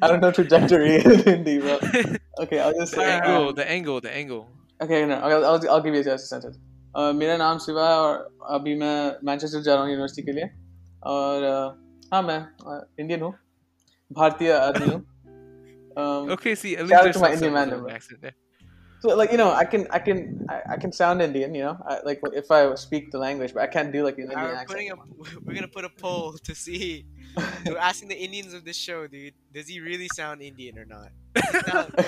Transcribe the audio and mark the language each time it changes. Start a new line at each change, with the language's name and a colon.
English: I don't know trajectory in Hindi, bro. Okay, I'll just say... The angle. Okay, no. I'll give you a sentence.
Hindi: मेरा नाम शिवा और अभी मैं Manchester जा रहा हु यूनिवर्सिटी के लिए। और हाँ मैं इंडियन हु। भारतीय आदमी who.
English: Okay, see, at least there's some accent there. So, like, you know, I can sound Indian, you know? If I speak the language, but I can't do, like, an Indian accent. We're going to put a poll to see. We're asking the Indians of this show, dude. Does he really sound Indian or not?